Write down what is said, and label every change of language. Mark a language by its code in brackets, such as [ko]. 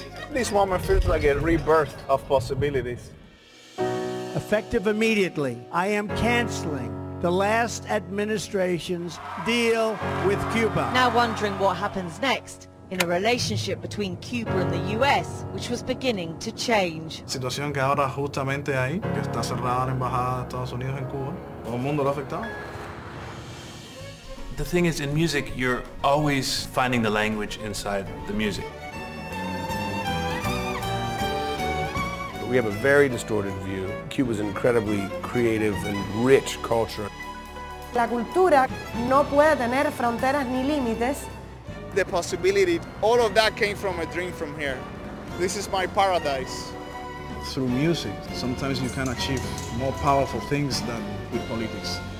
[en] This moment feels like a rebirth of possibilities. Effective immediately, I am canceling the last administration's deal with Cuba. Now wondering what happens next in a relationship between Cuba and the U.S., which was beginning to change. [es] Situación que ahora justamente ahí, que está cerrada la embajada de Estados Unidos en Cuba. Todo el mundo lo ha afectado. [en] The thing is, in music, you're always finding the language inside the music. We have a very distorted view. Cuba's an incredibly creative and rich culture. [es] La cultura no puede tener fronteras ni límites. [en] The possibility, all of that came from a dream from here. This is my paradise. Through music, sometimes you can achieve more powerful things than with politics.